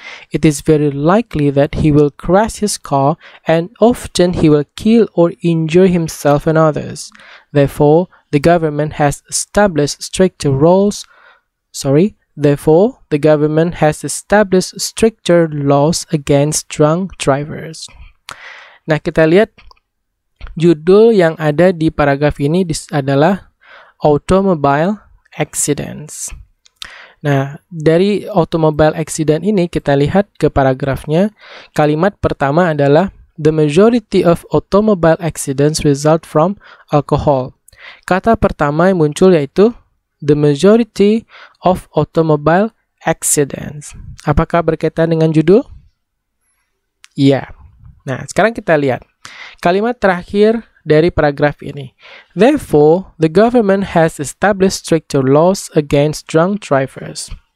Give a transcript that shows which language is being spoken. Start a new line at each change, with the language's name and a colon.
English: It is very likely that he will crash his car, and often he will kill or injure himself and others. Therefore, the government has established stricter rules. Therefore, the government has established stricter laws against drunk drivers.
Indonesian: Nah, kita lihat judul yang ada di paragraf ini adalah Automobile Accidents. Nah, dari automobile accident ini kita lihat ke paragrafnya. Kalimat pertama adalah
English: the majority of automobile accidents result from alcohol.
Indonesian: Kata pertama yang muncul yaitu
English: the majority of automobile accidents.
Indonesian: Apakah berkaitan dengan judul? Ya. Nah, sekarang kita lihat kalimat terakhir dari paragraf ini.
English: Therefore, the government has established stricter laws against drunk drivers.